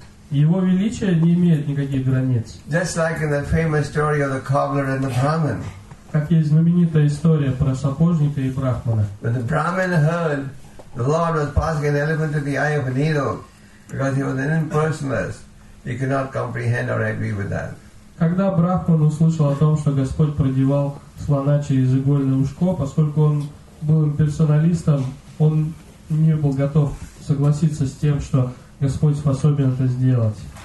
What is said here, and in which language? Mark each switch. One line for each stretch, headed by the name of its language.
Russian: Его величие не имеет никаких границ.
English: Just like in the famous story of the cobbler and the Brahmin.
Russian: Как есть знаменитая история про сапожника и брахмана.
English: When the Brahmin heard the Lord was passing an elephant to the eye of a needle, because he was an impersonalist, he could not comprehend or agree with that.
Russian: Когда брахман услышал о том, что Господь продевал слона через игольное ушко, поскольку он был имперсоналистом, он не был готов согласиться с тем, что Господь способен это сделать.